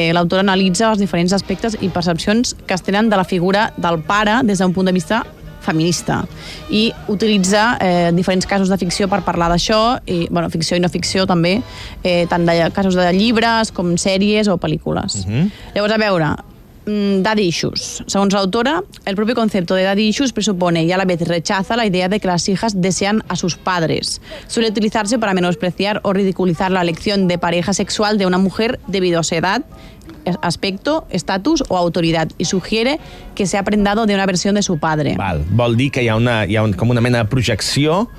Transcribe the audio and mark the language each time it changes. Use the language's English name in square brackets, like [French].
[Catalan] L'autora analitza els diferents aspectes i percepcions que es tenen de la figura del pare des d'un punt de vista feminista, i utilitza diferents casos de ficció per parlar d'això, i bueno, ficció i no ficció també, tant de casos de llibres com sèries o pel·lícules. Uh-huh. Llavors, a veure, Daddy Issues. Segons l'autora, el propi [Spanish] concepto de Daddy Issues presupone y a la vez rechaza la idea de que las hijas desean a sus padres. Suele utilizarse para menospreciar o ridiculizar la elección de pareja sexual de una mujer debido a su edad, aspecto, estatus o autoridad, y sugiere que se ha prendado de una versión de su padre. [Catalan] Val. Vol dir que hi ha com una mena de projecció.